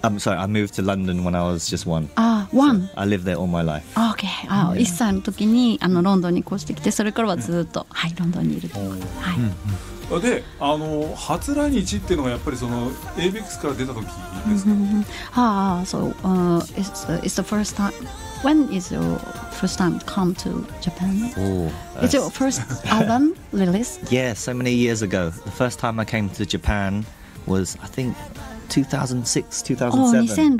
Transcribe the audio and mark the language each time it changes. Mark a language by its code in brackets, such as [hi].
[en] I'm sorry, I moved to London when I was just one. Ah, one. So I lived there all my life. Okay. [ja] Ah, 1歳の時にあのロンドンに越してきて、それからはずっと、はい、ロンドンにいると。はい。で、あの初来日っていうのがやっぱりその ABEX から出た時ですか。 [en] Ah, so it's the first time. When is your first time come to Japan? Oh, is your first album released? Yeah, so many years ago. The first time I came to Japan was, I think, 2006, 2007.